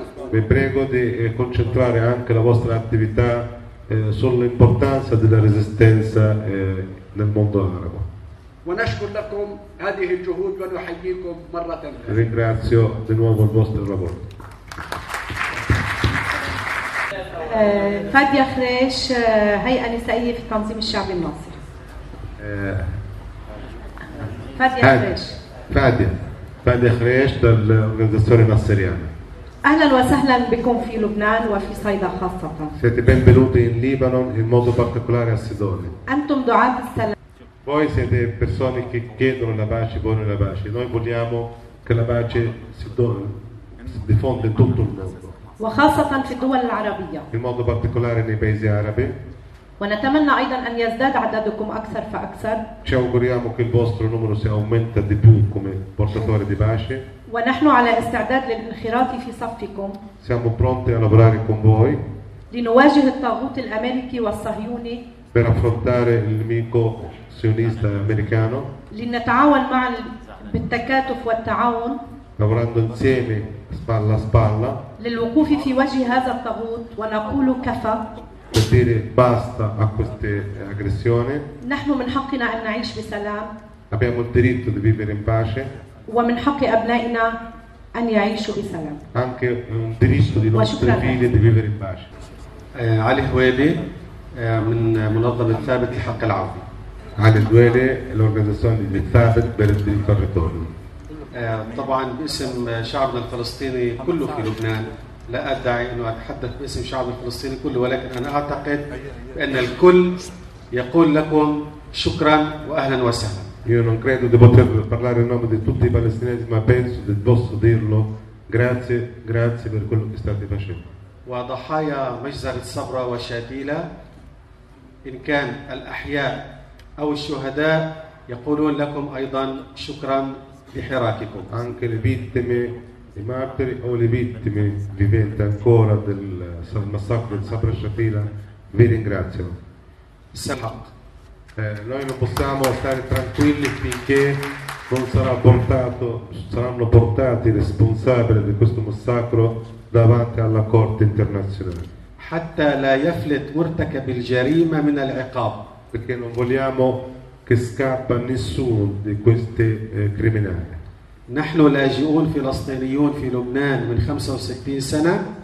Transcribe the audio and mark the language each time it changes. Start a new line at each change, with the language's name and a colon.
Italian: Vi prego di concentrare anche la vostra attività sull'importanza della resistenza nel mondo arabo.
Arabic: ونشكر لكم هذه الجهود ونحييكم مرة ثانية.
Italian: Ringrazio di nuovo il vostro lavoro.
Arabic: فادي خريش هيئة نسائية في التنظيم الشعبي المصري.
Italian: فادي خريش dell'organizzazione nasseriana.
Arabic: اهلا وسهلا بكم في لبنان وفي صيدا خاصة.
Italian: Siete benvenuti in Libano in modo particolare a Sidone.
Arabic: انتم دعاة السلام.
Italian: Voi siete persone che chiedono la pace, vogliono la pace. Noi vogliamo che la pace si diffonda in tutto il mondo.
Arabic: وخاصة في الدول العربية.
Italian: In modo particolare nei paesi arabi.
Arabic: ونتمنى أيضا أن يزداد عددكم أكثر فأكثر.
Italian: Ci auguriamo che il vostro numero si aumenta di più come portatore di pace.
Arabic: ونحن على استعداد للانخراط في صفكم.
Italian: Siamo pronti a lavorare con voi.
Arabic: لنواجه الطاغوت الأمريكي والصهيوني.
Italian: Per affrontare il nemico sionista americano.
Arabic: لنتعاون معا بالتكاتف والتعاون.
Italian: Lavorando insieme spalla a spalla.
Arabic: للوقوف في وجه هذا الطاغوت ونقول كفى.
Italian: Per dire basta a queste aggressioni.
Arabic: نحن من حقنا أن نعيش بسلام.
Italian: Abbiamo il diritto di vivere in pace.
Arabic: ومن حق أبنائنا أن يعيشوا بسلام.
Italian: Anche un diritto di nostri figli di vivere in pace.
Arabic: علي حويبي من منظمة ثابت لحق العودة.
Italian: علي الدويلي الأورغانيزاسيون دي ثابت بير الديتور ريتورنو.
Arabic: طبعا باسم شعبنا الفلسطيني كله في لبنان. لا أدعي أن أتحدث باسم شعب الفلسطيني كله، ولكن أنا أعتقد أن الكل يقول لكم شكرا وأهلا وسهلا.
Italian: Io non credo di poter parlare in nome di tutti i palestinesi, ma penso di posso dirlo grazie, grazie per quello che state facendo.
Arabic: وضحايا مجزرة صبرا وشاتيلا إن كان الأحياء أو الشهداء يقولون لكم أيضا شكرا لحراككم.
Italian: Anche le vittime, i martiri o le vittime viventi ancora del massacro di Sabra Shatila, vi ringrazio. Noi non possiamo stare tranquilli finché non saranno portati responsabili di questo massacro davanti alla Corte internazionale.
Arabic: Hatta la yaflit murtakab al-jarima min al-iqab.
Italian: Perché non vogliamo che scappa nessuno di questi criminali.
Arabic: نحن لاجئون فلسطينيون في لبنان من 65 سنة.